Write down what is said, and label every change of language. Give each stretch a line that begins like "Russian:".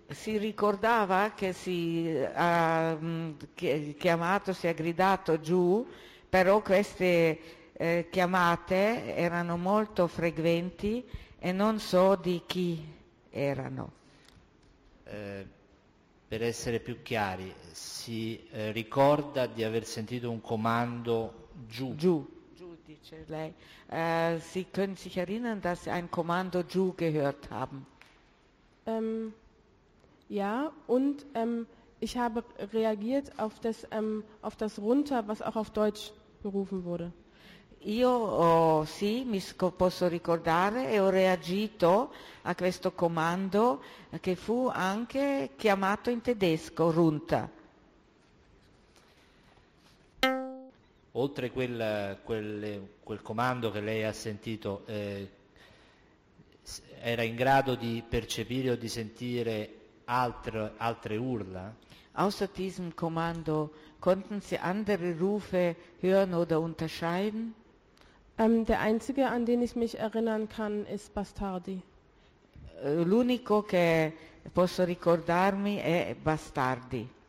Italian: Si ricordava che si ha chiamato, si è gridato giù, però queste chiamate erano molto frequenti e non so di chi erano. Per essere più chiari, si ricorda di aver sentito un comando giù. Giù, dice lei.
German: Si können sich erinnern, dass sie ein Kommando giù gehört haben. Ja, und ich habe reagiert auf das Runter, was auch auf Deutsch gerufen wurde.
Italian: Io, oh, sì, mi posso ricordare e ho reagito a questo comando che fu anche chiamato in tedesco, Runter. Oltre quel comando che lei ha sentito, era in grado di percepire o di sentire altre urla?
German: Außer diesem Kommando konnten Sie andere Rufe hören oder unterscheiden? Der einzige, an den ich mich erinnern kann, ist Bastardi.
Italian: L'unico che posso ricordarmi è Bastardi.